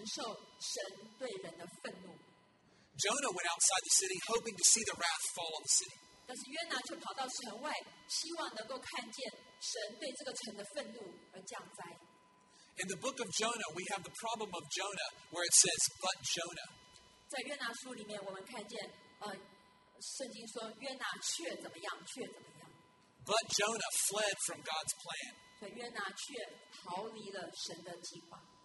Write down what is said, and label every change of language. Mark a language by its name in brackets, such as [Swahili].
[Chinese] 耶稣被带到城外来承受神对人的愤怒。 [English] Jonah went outside the city hoping to see the wrath fall on the city. [Chinese] 但是约拿却跑到城外，希望能够看见神对这个城的愤怒而降灾。 [English] In the book of Jonah, we have the problem of Jonah where it says, but Jonah. [Chinese] 在约拿书里面我们看见, 圣经说约拿却怎么样, [English] But Jonah fled from God's plan. [Chinese] 对,约拿却逃离了神的计划。